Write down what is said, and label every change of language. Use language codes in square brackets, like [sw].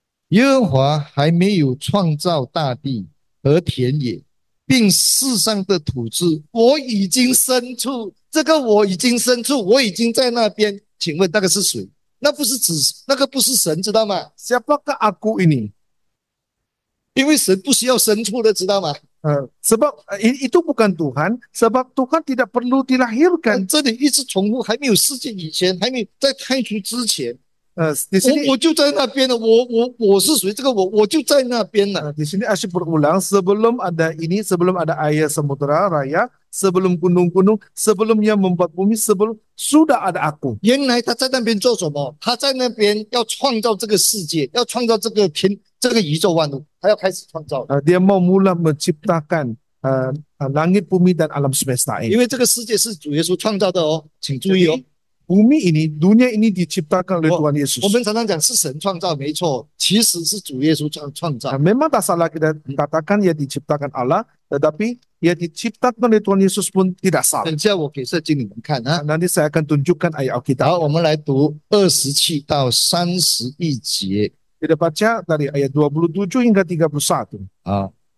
[zh] 耶和华还没有创造大地和田野，并世上的土质，我已经深处。这个我已经深处，我已经在那边。请问那个是谁？那不是指，那个不是神，知道吗？ [ms] Siapakah aku ini？ [zh] 因为神不需要深处的，知道吗？ [ms] Sebab itu bukan Tuhan, sebab Tuhan tidak perlu dilahirkan. Jadi, ini masih terus, belum ada dunia sebelum, belum ada dunia sebelum. Di sini, saya di sini. Di sini asyik berulang, sebelum ada ini, sebelum ada air samudra raya, sebelum gunung-gunung, sebelum yang membuat bumi, sebelum sudah ada aku. Sebenarnya, dia di sana buat apa? Dia di sana untuk membina dunia, untuk membina dunia, untuk membina [zh] 这个宇宙万物，他要开始创造。 [ms] Dia mau mula menciptakan langit bumi dan alam semesta ini. [zh] 因为这个世界是主耶稣创造的哦，请注意哦。 [ms] Bumi ini, dunia ini diciptakan oleh Tuhan Yesus. [zh] 我们常常讲是神创造，没错，其实是主耶稣创造。 [ms] Memang tak salah kita katakan ia diciptakan Allah, tetapi ia diciptakan oleh Tuhan Yesus pun tidak salah. [zh] 等下我给圣经你们看啊。 [ms] Nanti saya akan tunjukkan ayat Alkitab. [zh] 好，我们来读27到31节。 [ms] Kita baca dari ayat 27 hingga 31.